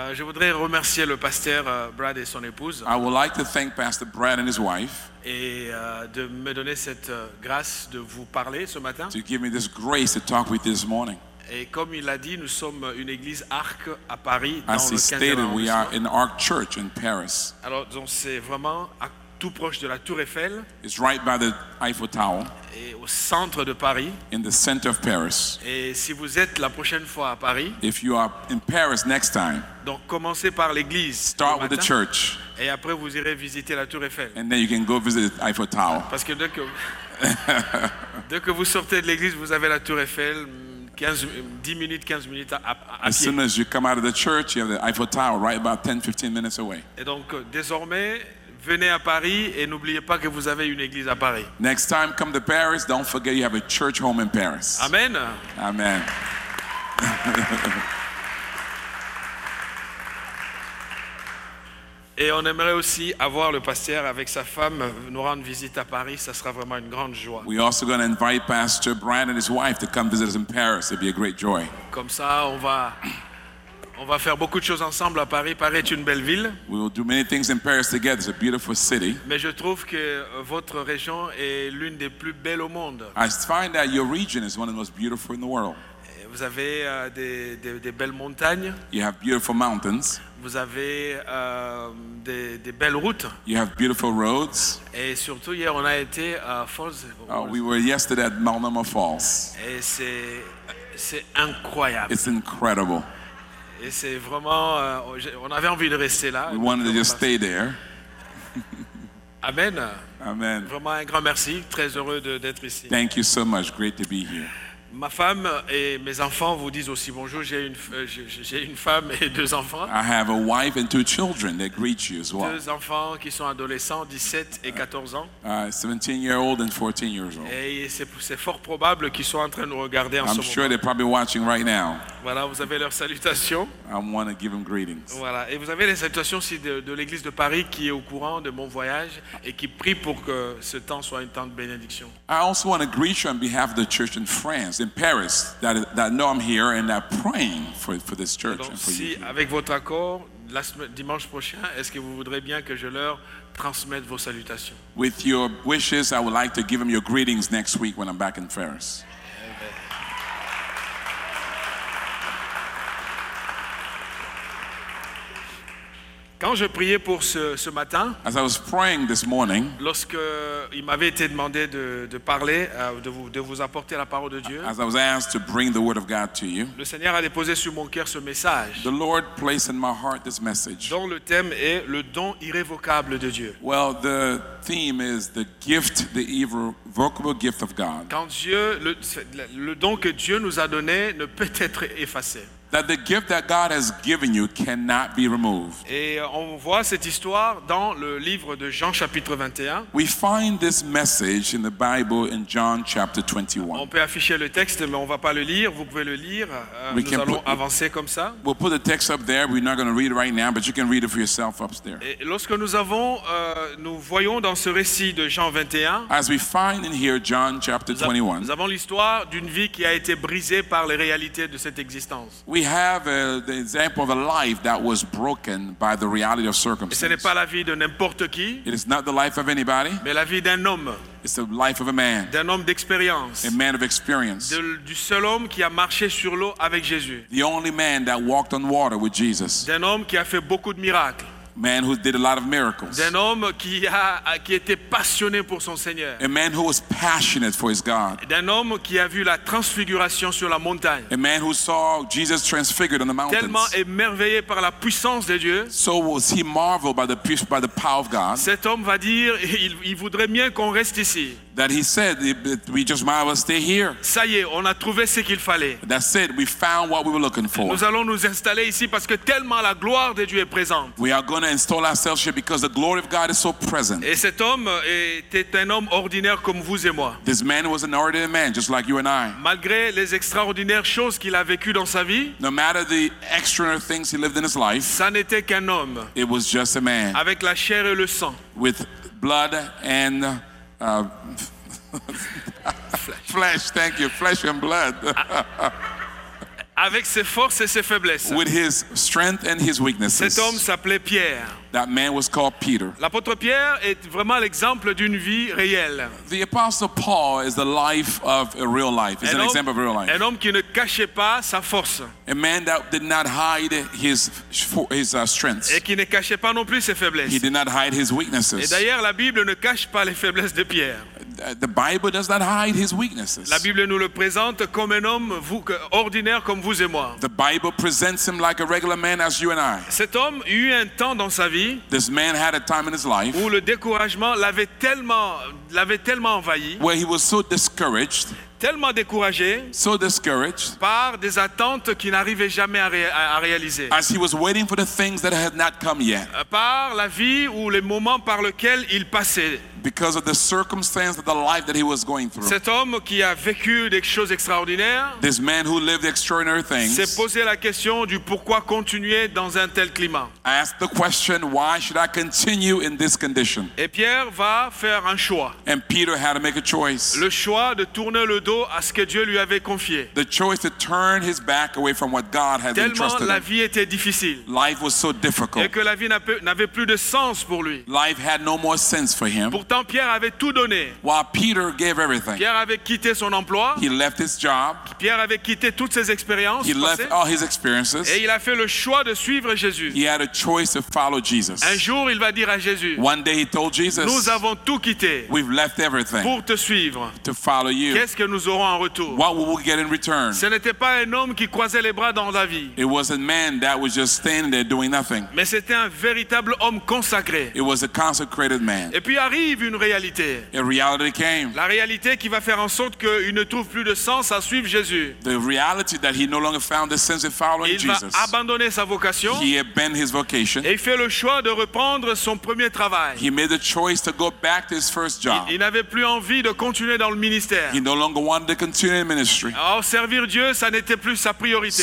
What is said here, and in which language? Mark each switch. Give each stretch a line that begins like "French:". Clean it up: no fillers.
French: Je voudrais remercier le pasteur Brad et son épouse.
English: I would like to thank Pastor Brad and his wife.
French: Et de me donner cette grâce de vous parler ce matin.
English: To give me this grace to talk with this morning.
French: Et comme il a dit, nous sommes une église ARC à Paris.
English: As he stated, we are an ARC church in Paris.
French: Alors, donc, c'est vraiment tout proche de la Tour Eiffel.
English: It's right by the Eiffel Tower.
French: Et au centre de Paris.
English: In the center of Paris.
French: Et si vous êtes la prochaine fois à Paris.
English: If you are in Paris next time.
French: Donc commencez par l'église.
English: Start with the church.
French: Et après vous irez visiter la Tour Eiffel.
English: And then you can go visit the Eiffel Tower.
French: Parce que dès que vous sortez de l'église, vous avez la Tour Eiffel. 10 minutes à
English: as soon as you come out of the church, you have the Eiffel Tower right about 10-15 minutes away.
French: Et donc désormais, venez à Paris et n'oubliez pas que vous avez une église à Paris.
English: Next time come to Paris, don't forget you have a church home in Paris.
French: Amen.
English: Amen.
French: Et on aimerait aussi avoir le pasteur avec sa femme nous rendre visite à Paris. Ça sera vraiment une grande joie.
English: We're also going to invite Pastor Brian and his wife to come visit us in Paris. It'd be a great joy.
French: Comme ça, on va faire beaucoup de choses ensemble à Paris. Paris est une belle ville.
English: We will do many things in Paris together. It's a beautiful city.
French: Mais je trouve que votre région est l'une des plus belles au monde.
English: I find that your region is one of the most beautiful in the world.
French: Vous avez des belles montagnes.
English: You have beautiful mountains.
French: Vous avez des belles routes.
English: You have beautiful roads.
French: Et surtout hier on a été à Falls.
English: We were yesterday at Multnomah Falls.
French: Et c'est incroyable.
English: It's incredible.
French: Et c'est vraiment on avait envie de rester là.
English: We wanted to just stay there.
French: Amen.
English: Amen.
French: Vraiment un grand merci, très heureux d'être ici.
English: Thank you so much. Great to be here.
French: Ma femme et mes enfants vous disent aussi bonjour. J'ai une femme et deux enfants.
English: I have a wife and two children that greet you as well.
French: Deux enfants qui sont adolescents, 17 et 14 ans.
English: 17-year-old and 14-year-old.
French: Et c'est fort probable qu'ils soient en train de nous regarder en
English: I'm
French: ce
English: sure
French: moment.
English: I'm sure they're probably watching right now.
French: Voilà, vous avez leurs salutations.
English: I want to give them greetings.
French: Voilà, et vous avez les salutations aussi de l'église de Paris qui est au courant de mon voyage et qui prie pour que ce temps soit un temps de bénédiction.
English: I also want to greet you on behalf of the church in France. In Paris, that know I'm here and are praying for this church
French: donc,
English: and for
French: si
English: you.
French: Si, avec votre accord, dimanche prochain, est-ce que vous voudrez bien que je leur transmette vos salutations?
English: With your wishes, I would like to give them your greetings next week when I'm back in Paris.
French: Quand je priais pour ce matin,
English: as I was praying this morning,
French: lorsque il m'avait été demandé de parler, de vous apporter la parole de Dieu,
English: as I was asked to bring the word of God to you,
French: le Seigneur a déposé sur mon cœur ce message.
English: The Lord placed in my heart this message.
French: Dont le thème est le don irrévocable de Dieu.
English: Well, the theme is the gift, the irrevocable gift of God.
French: Quand Dieu le don que Dieu nous a donné ne peut être effacé.
English: That the gift that God has given you cannot be removed.
French: Et on voit cette histoire dans le livre de Jean chapitre 21.
English: We find this message in the Bible in John chapter 21.
French: On peut afficher le texte, mais on ne va pas le lire. Vous pouvez le lire. Avancer comme ça.
English: We'll put the text up there. We're not going to read it right now, but you can read it for yourself up there.
French: Et lorsque nous voyons dans ce récit de Jean 21.
English: As we find in here John chapter 21.
French: Nous avons l'histoire d'une vie qui a été brisée par les réalités de cette existence.
English: We have the example of a life that was broken by the reality of circumstances.
French: Et ce n'est pas la vie de n'importe qui,
English: it is not the life of anybody,
French: mais la vie d'un homme.
English: It's the life of a man.
French: D'un homme d'expérience.
English: A man of experience.
French: Du seul homme qui a marché sur l'eau avec Jésus.
English: The only man that walked on water with Jesus.
French: D'un homme qui a fait beaucoup de miracles.
English: Man who did a lot of miracles.
French: D'un homme qui était passionné pour son Seigneur.
English: A man who was passionate for his God.
French: D'un homme qui a vu la transfiguration sur la montagne.
English: A man who saw Jesus transfigured on the mountains.
French: Tellement émerveillé par la puissance de Dieu.
English: So was he marveled by the power of God.
French: Cet homme va dire, il voudrait bien qu'on reste ici.
English: That he said, we just might as well stay here.
French: Ça y est, on a trouvé ce qu'il fallait.
English: That's it, we found what we were looking for.
French: Nous allons nous installer ici parce que tellement la gloire de Dieu est présente.
English: We are going to install ourselves here because the glory of God is so present.
French: Et cet homme était un homme ordinaire comme vous et moi.
English: This man was an ordinary man, just like you and I.
French: Malgré les extraordinaires choses qu'il a vécues dans sa vie.
English: No matter the extraordinary things he lived in his life.
French: Ça n'était qu'un homme.
English: It was just a man.
French: Avec la chair et le sang.
English: With blood and flesh, thank you, flesh and blood.
French: Avec ses forces et ses faiblesses.
English: With his strength and his weaknesses.
French: Cet homme s'appelait Pierre.
English: That man was called Peter.
French: L'apôtre Pierre est vraiment l'exemple d'une vie réelle.
English: The apostle Paul is the life of a real life. It's an example of real life.
French: Un homme qui ne cachait pas sa force.
English: A man that did not hide his strengths.
French: Et qui ne cachait pas non plus ses faiblesses.
English: He did not hide his weaknesses.
French: Et d'ailleurs, la Bible ne cache pas les faiblesses de Pierre.
English: The Bible does not hide his weaknesses.
French: La Bible nous le présente comme un homme ordinaire comme vous et moi.
English: The Bible presents him like a regular man as you and I.
French: Cet homme eut un temps dans sa vie.
English: This man had a time in his life.
French: Où le découragement l'avait tellement envahi.
English: Where he was so discouraged.
French: Tellement découragé.
English: So discouraged.
French: Par des attentes qui n'arrivaient jamais à réaliser.
English: As he was waiting for the things that had not come yet.
French: Par la vie ou les moments par lesquels il passait.
English: Because of the circumstance of the life that he was going through.
French: Cet homme qui a vécu des choses extraordinaires.
English: This man who lived extraordinary things.
French: S'est posé la question du pourquoi continuer dans un tel climat.
English: Asked the question, why should I continue in this condition?
French: Et Pierre va faire un choix.
English: And Peter had to make a choice.
French: Le choix de tourner le dos à ce que Dieu lui avait confié.
English: The choice to turn his back away from what God had
French: tellement
English: entrusted him.
French: La vie était difficile.
English: Life was so difficult.
French: Et que la vie n'avait plus de sens pour lui.
English: Life had no more sense for him.
French: Pourtant, Pendant Pierre avait tout donné,
English: while Peter gave everything,
French: Pierre avait quitté son emploi,
English: he left his job,
French: Pierre avait quitté toutes ses expériences,
English: he left all his experiences,
French: et il a fait le choix de suivre Jésus.
English: He had a choice to follow Jesus.
French: Un jour, il va dire à Jésus,
English: one day he told Jesus,
French: nous avons tout quitté,
English: we've left everything,
French: pour te suivre,
English: to follow you.
French: Qu'est-ce que nous aurons en retour?
English: What will we get in return?
French: Ce n'était pas un homme qui croisait les bras dans la vie.
English: It was a man that was just standing there doing nothing.
French: Mais c'était un véritable homme consacré.
English: It was a consecrated man.
French: Et puis arrive une réalité.
English: A reality came.
French: La réalité qui va faire en sorte qu'il ne trouve plus de sens à suivre Jésus.
English: The reality that he no longer found the sense of following
French: Jesus. Il va abandonner sa vocation.
English: He abandoned his vocation.
French: Et il fait le choix de reprendre son premier travail.
English: He made the choice to go back to his first job.
French: Il n'avait plus envie de continuer dans le ministère.
English: He no longer wanted to continue in ministry.
French: Alors, servir Dieu, ça n'était plus sa priorité.